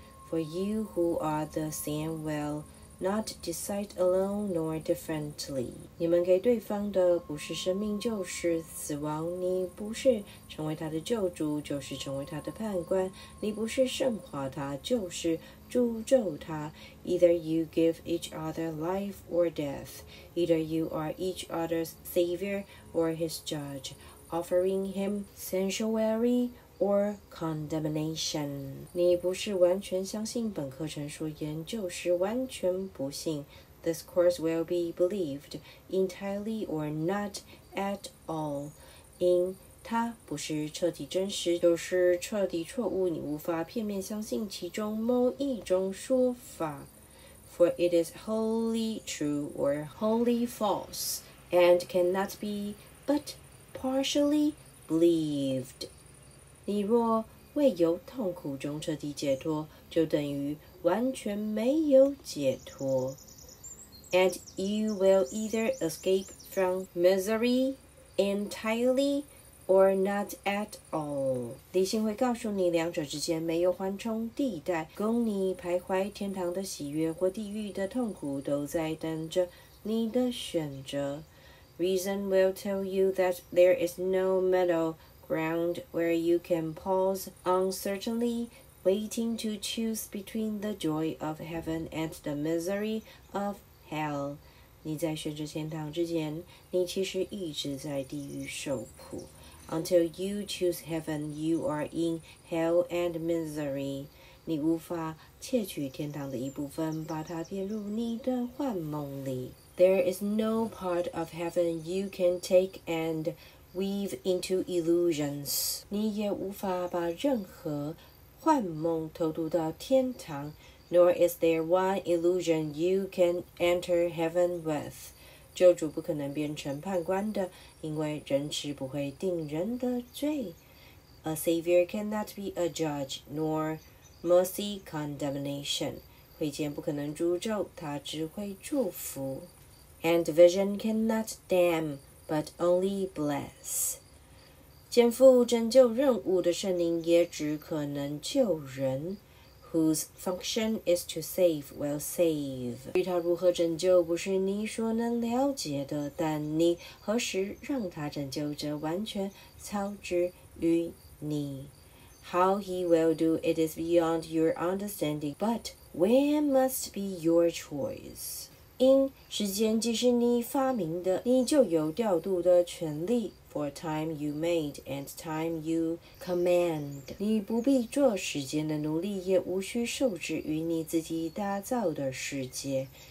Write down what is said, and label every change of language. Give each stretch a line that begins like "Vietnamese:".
English: For you who are the same will not decide alone nor differently.
Chinese: 你们给对方的不是生命就是死亡，你不是成为他的救主就是成为他的判官，你不是圣化他就是诅咒他。
English: Either you give each other life or death, either you are each other's savior or his judge, offering him sanctuary or condemnation.
Chinese: 你不是完全相信本课程所言，就是完全不信。
English: This course will be believed entirely or not at all.
Chinese: 因它不是彻底真实，就是彻底错误，你无法片面相信其中某一种说法。
English: For it is wholly true or wholly false, and cannot be but partially believed.
Chinese: 你若未由痛苦中彻底解脱，就等于完全没有解脱。
English: And you will either escape from misery entirely or not at all.
Chinese: 理性会告诉你两者之间没有缓冲地带，供你徘徊天堂的喜悦或地狱的痛苦都在等着你的选择。
English: Reason will tell you that there is no middle ground where you can pause uncertainly, waiting to choose between the joy of heaven and the misery of hell.
Chinese: 你在选择天堂之前，你其实一直在地狱受苦。
English: Until you choose heaven, you are in hell and misery.
Chinese: 你无法窃取天堂的一部分，把它编入你的幻梦里。
English: There is no part of heaven you can take and weave into illusions.
Chinese: 你也无法把任何幻梦投入到天堂。
English: Nor is there one illusion you can enter heaven with.
Chinese: 救主不可能变成判官的，因为人是不会定人的罪。
English: A savior cannot be a judge, nor mercy condemnation.
Chinese: 会见不可能诅咒，他只会祝福。
English: And vision cannot damn, but only bless.
Chinese: 肩负拯救任务的圣灵也只可能救人。
English: Whose function is to save will save.
Chinese: 至于他如何拯救不是你所能了解的，但你何时让他拯救者完全操之于你。
English: How he will do it is beyond your understanding, but where must be your choice.
Chinese: 因时间既是你发明的，你就有调度的权利。
English: For time you made and time you command.
Chinese: 你不必做时间的奴隶，也无需受制于你自己打造的世界。